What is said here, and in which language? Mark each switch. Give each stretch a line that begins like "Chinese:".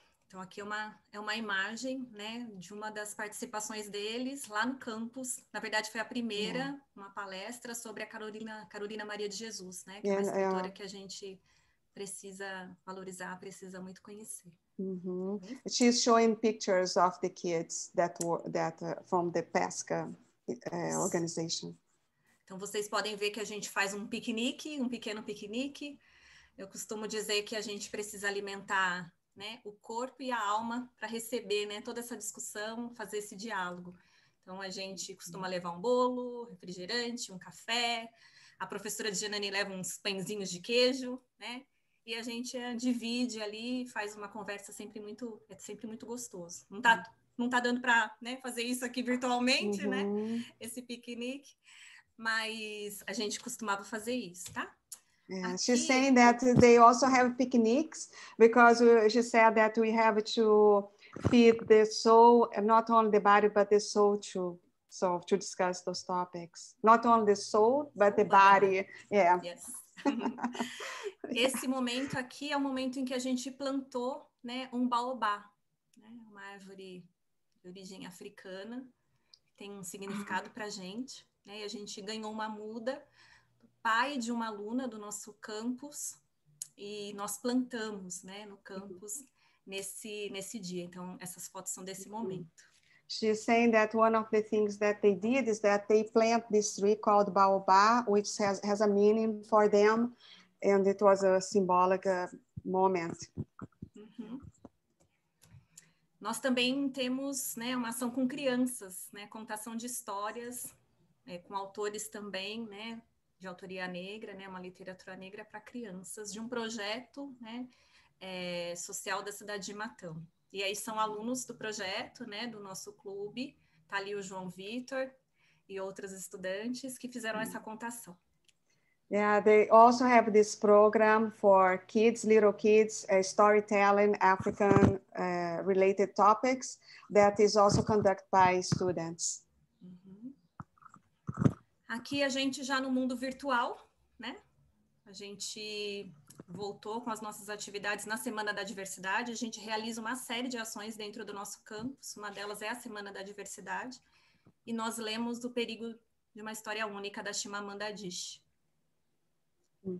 Portuguese: Então, aqui é uma imagem, né, de uma das participações deles lá no campus. Na verdade, foi a primeira, yeah, uma palestra sobre a Carolina Maria de Jesus, né, que é uma escritora que a gente precisa valorizar, precisa muito conhecer.
English: Mm-hmm. Okay? She's showing pictures of the kids that were from the PESCA organization.
Portuguese: Então, vocês podem ver que a gente faz um piquenique, um pequeno piquenique. Eu costumo dizer que a gente precisa alimentar, né, o corpo e a alma para receber, né, toda essa discussão, fazer esse diálogo. Então, a gente costuma levar um bolo, refrigerante, um café. A professora Janani leva uns pãezinhos de queijo, né? E a gente divide ali, faz uma conversa sempre muito... É sempre muito gostoso. Não tá dando para, né, fazer isso aqui virtualmente, uhum, né? Esse piquenique. Mas a gente costumava fazer isso, tá?
English: Yeah, aqui, she's saying that they also have picnics because she said that we have to feed the soul, not only the body, but the soul too. So to discuss those topics, not only the soul, but the body. Yeah. Yes.
Portuguese: Esse momento aqui é o momento em que a gente plantou, né, um baobá, né, uma árvore de origem africana, tem um significado para a gente, né, e a gente ganhou uma muda. Pai de uma aluna do nosso campus, e nós plantamos, né, no campus nesse dia. Então, essas fotos são desse momento.
English: She's saying that one of the things that they did is that they plant this tree called baobá, which has a meaning for them, and it was a symbolic moment. Uhum.
Portuguese: Nós também temos, né, uma ação com crianças, né, contação de histórias, né, com autores também, né, de autoria negra, né, uma literatura negra para crianças, de um projeto, né, social da cidade de Matão. E aí são alunos do projeto, né, do nosso clube, tá ali o João Vitor e outras estudantes que fizeram essa contação.
English: Yeah, they also have this program for kids, little kids, storytelling, African related topics that is also conducted by students.
Portuguese: Aqui a gente já no mundo virtual, né? A gente voltou com as nossas atividades na Semana da Diversidade. A gente realiza uma série de ações dentro do nosso campus. Uma delas é a Semana da Diversidade. E nós lemos do perigo de uma história única da Chimamanda Adichie. Uhum.